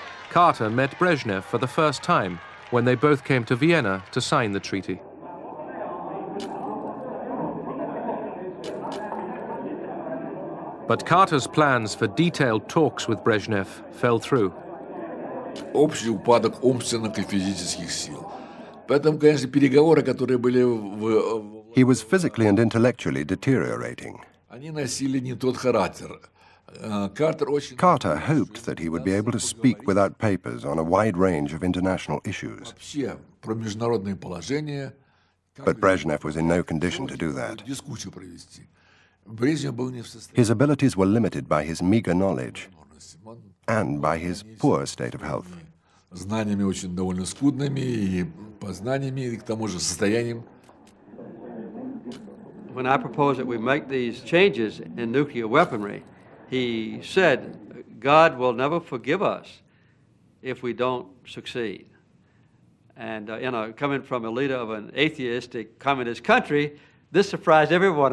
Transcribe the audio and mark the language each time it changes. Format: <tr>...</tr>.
<en>Carter met Brezhnev for the first time when they both came to Vienna to sign the treaty. But Carter's plans for detailed talks with Brezhnev fell through.</en> <ru>Общий упадок умственных и физических сил. Поэтому, конечно, переговоры, которые были в...</ru> <en>He was physically and intellectually deteriorating.</en> <ru>Они носили не тот характер.</ru> <en>Carter hoped that he would be able to speak without papers on a wide range of international issues.</en> <ru>Вообще, про международные положения...</ru> <en>But Brezhnev was in no condition to do that.</en> <ru>Дискуссию провести. Брежнев был не в состоянии...</ru> <en>His abilities were limited by his meager knowledge and by his poor state of health.</en> <ru>Знаниями очень довольно скудными и познаниями, и к тому же состоянием.</ru> <en>When I proposed that we make these changes in nuclear weaponry, he said, "God will never forgive us if we don't succeed." And you know, coming from a leader of an atheistic communist country, this surprised everyone.</en>